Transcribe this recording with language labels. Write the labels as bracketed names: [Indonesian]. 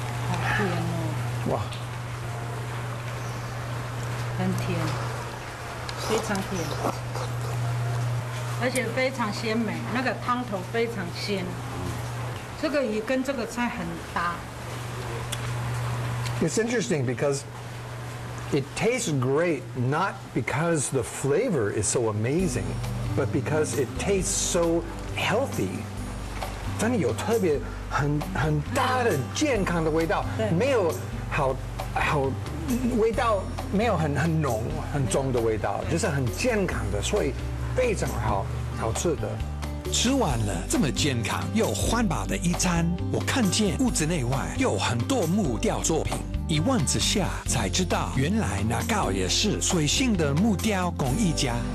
[Chinese] 好甜哦！哇，很甜。非常甜，而且非常鲜美，那个汤头非常鲜，这个鱼跟这个菜很搭。 [English] It's interesting because it tastes great, not because the flavor is so amazing, but because it tastes so healthy. [Chinese] 真的有特别很大的健康的味道，没有好味道。没有很浓很重的味道，就是很健康的，所以非常好吃的。吃完了这么健康又环保的一餐，我看见屋子内外有很多木雕作品，一望之下才知道原来那高也是水性的木雕工艺家。